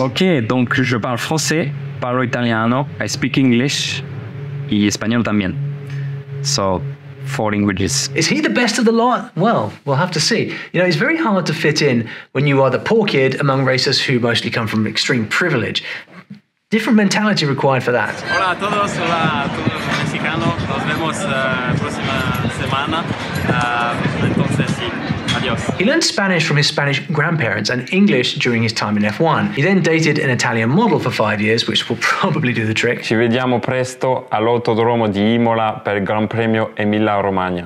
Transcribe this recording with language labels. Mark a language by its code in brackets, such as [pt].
[en] Okay, [fr] donc je parle français, [it] parlo italiano, [en] I speak English, [es] y español también. [en] So, four languages. Is he the best of the lot? Well, we'll have to see. You know, it's very hard to fit in when you are the poor kid among racers who mostly come from extreme privilege. Different mentality required for that. [es] Hola a todos, hola a todos los mexicanos. Nos vemos próxima semana. Entonces, sí. [en] He learned Spanish from his Spanish grandparents and English during his time in F1. He then dated an Italian model for 5 years, which will probably do the trick. [it] Ci vediamo presto all'autodromo di Imola per il Gran Premio Emilia Romagna.